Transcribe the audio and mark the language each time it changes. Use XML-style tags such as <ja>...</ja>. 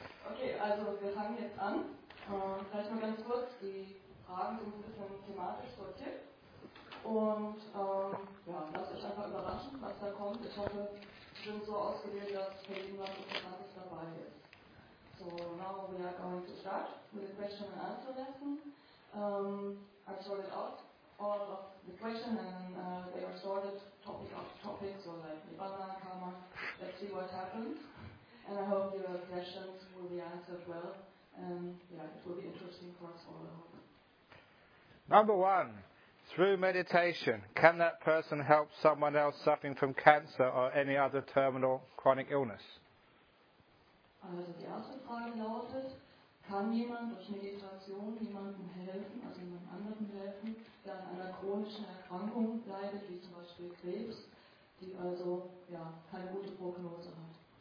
<de>Okay, also wir fangen jetzt an. Vielleicht mal ganz kurz die Fragen sind ein bisschen thematisch sortiert. Und lasst euch einfach überraschen, was da kommt. Ich hoffe, sie sind so ausgewählt, dass für jeden was Interessantes dabei ist.</de> <en>So, now we are going to start with the question and answer lesson. I sorted out all of the questions and they are sorted topic after topic, so like Nibbana, Karma, let's see what happens. And I hope your questions will be answered well. It will be interesting for us all. Number one, through meditation, can that person help someone else suffering from cancer or any other terminal chronic illness?</en> <de>Also, die erste Frage lautet, kann jemand durch Meditation jemandem helfen, also jemand anderen helfen, der an einer chronischen Erkrankung leidet, wie zum Beispiel Krebs, die also keine gute Prognose hat?</de>